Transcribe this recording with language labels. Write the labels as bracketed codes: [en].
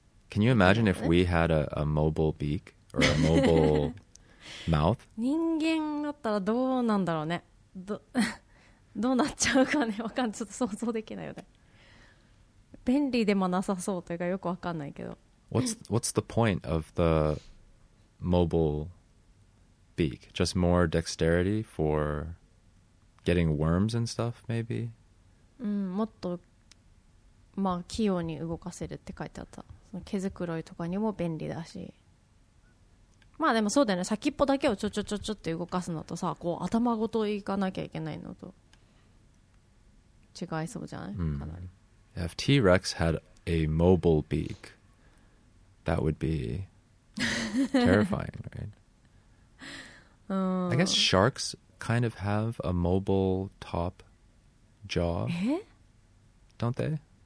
[en] Can you imagine if we had a mobile beak or a mobile mouth? [ja] 人間だったらどうなんだろうね。どうなっちゃうかね、わかんない。ちょっと想像できないよね。便利でもなさそうというか、よくわかんないけど。 [en] What's the point of the mobile beak? Just more dexterity for getting worms and stuff, maybe? [ja] うん、もっと。まあ器用に動かせるって書いてあった。その毛づくろいとかにも便利だし、まあでもそうだよね、先っぽだけをちょちょちょちょって動かすのとさ、こう頭ごと行かなきゃいけないのと違いそうじゃない、mm. かなり。 [en] If T-Rex had a mobile beak, that would be terrifying, right? I guess sharks kind of have a mobile top jaw, don't they?